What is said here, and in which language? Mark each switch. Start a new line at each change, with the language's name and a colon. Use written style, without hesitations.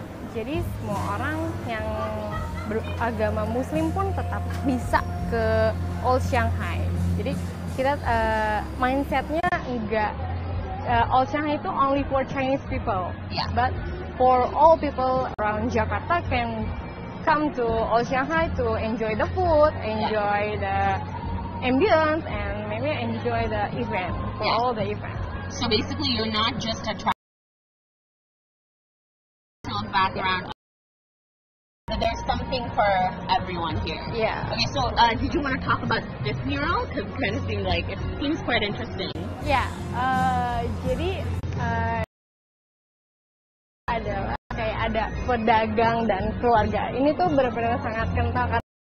Indonesian: Jadi semua orang yang beragama Muslim pun tetap bisa ke Old Shanghai. Jadi kita mindsetnya enggak Old Shanghai itu
English: only for Chinese people, but for all people around Jakarta can come to Old Shanghai to enjoy the food, enjoy the ambience, and maybe enjoy the event, for all the events. So basically you're not just a traditional background, there's something for everyone here. Yeah. Okay, so did you want to talk about this mural? Because it kind of seemed like it seems quite interesting.
Indonesian: Yeah, jadi ada kayak ada pedagang dan keluarga. Ini tuh benar-benar sangat kental.